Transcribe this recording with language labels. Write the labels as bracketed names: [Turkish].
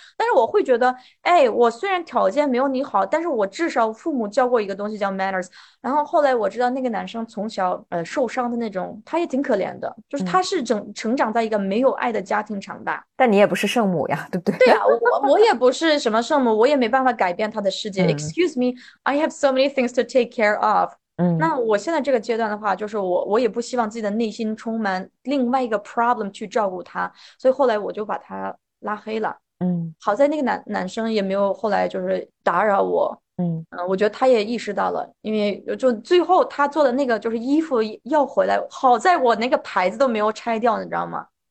[Chinese] 但是我会觉得，哎，我虽然条件没有你好，但是我至少父母教过一个东西叫 manners。然后后来我知道那个男生从小受伤的那种，他也挺可怜的，就是他是成长在一个没有爱的家庭长大。但你也不是圣母呀，对不对？对啊，我也不是什么圣母，我也没办法改变他的世界。 [English] Excuse me, I have so many things to take care of。 [Chinese] 那我现在这个阶段的话，就是我也不希望自己的内心充满另外一个 problem 去照顾他，所以后来我就把他拉黑了。好在那个男生也没有后来就是打扰我。我觉得他也意识到了，因为就最后他做的那个就是衣服要回来，好在我那个牌子都没有拆掉，你知道吗？